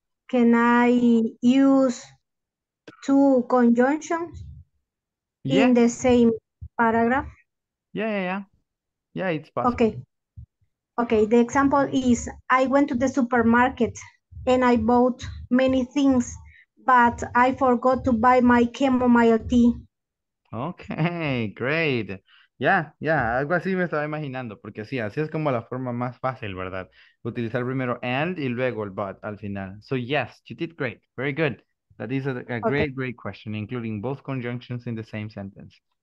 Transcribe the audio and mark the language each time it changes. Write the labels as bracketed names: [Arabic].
[English] Can I use two conjunctions in the same paragraph? Yeah, it's possible. Okay. Okay, the example is, I went to the supermarket and I bought many things, but I forgot to buy my chamomile tea. Okay, great. [Spanish] Yeah, algo así me estaba imaginando, porque sí, así es como la forma más fácil, ¿verdad? Utilizar primero and y luego el but al final. [English] So yes, you did great. Very good. That is a great, great question, including both conjunctions in the same sentence.